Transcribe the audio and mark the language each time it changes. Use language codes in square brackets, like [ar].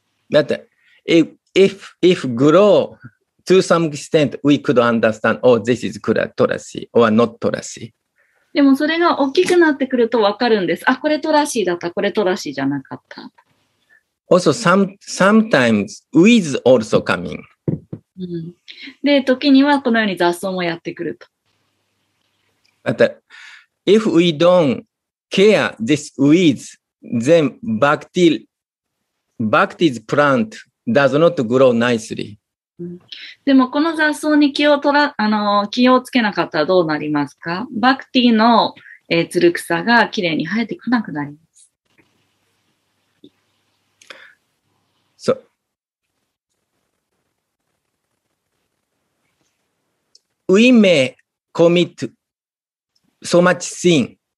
[en] But if grow to some extent, we could understand, oh, this is トラシー or not トラシー。 [ja] でもそれが大きくなってくると分かるんです。あ、これトラシーだった、これトラシーじゃなかった。 [en] Also, sometimes weeds also coming.、 [ja] うん、で、時にはこのように雑草もやってくると。 [en] But if we don't care this weeds, then Bhakti's plant does not grow nicely.、 [ja] うん、でもこの雑草に気をつけなかったらどうなりますか？バクティの、つる草がきれいに生えてこなくなります。 [en] So, we may commit so much sin.